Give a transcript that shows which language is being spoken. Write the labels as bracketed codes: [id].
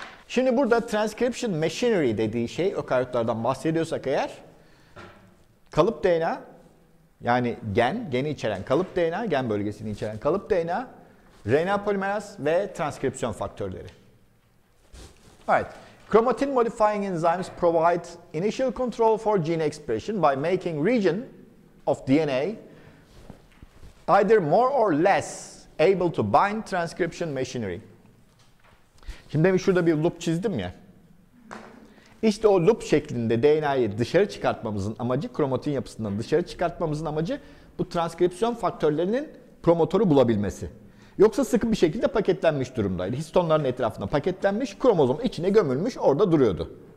[tr] Şimdi burada transcription machinery dediği şey, ökaryotlardan bahsediyorsak eğer, kalıp DNA, yani gen, geni içeren kalıp DNA, gen bölgesini içeren kalıp DNA, RNA polimeraz ve transkripsiyon faktörleri. Evet. [en] Chromatin modifying enzymes provide initial control for gene expression by making region of DNA either more or less able to bind transcription machinery. [tr] Şimdi demin şurada bir loop çizdim ya. İşte o loop şeklinde DNA'yı dışarı çıkartmamızın amacı, kromatin yapısından dışarı çıkartmamızın amacı bu transkripsiyon faktörlerinin promotoru bulabilmesi. Yoksa sıkı bir şekilde paketlenmiş durumdaydı. Histonların etrafında paketlenmiş, kromozom içine gömülmüş, orada duruyordu.